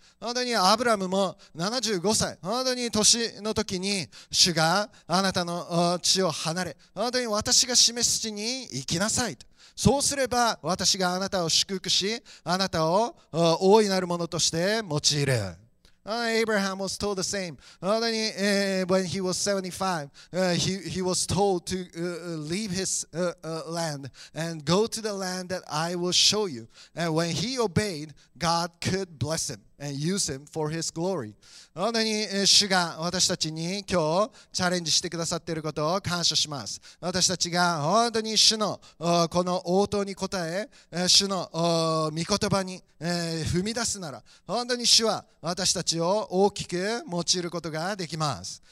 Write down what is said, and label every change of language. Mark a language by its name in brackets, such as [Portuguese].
[Japanese] 本当にアブラムも75歳、本当に年の時に主があなたの地を離れ、本当に私が示す地に行きなさいと。そうすれば私があなたを祝福し、あなたを大いなるものとして用いる。 [English] Abraham was told the same. When he was 75, he was told to leave his land and go to the land that I will show you. And when he obeyed, God could bless him and use him for his glory. [Japanese] 本当に主が私たちに今日チャレンジしてくださっていることを感謝します。私たちが本当に主のこの応答に応え、主の御言葉に踏み出すなら、本当に主は私たちを大きく用いることができます。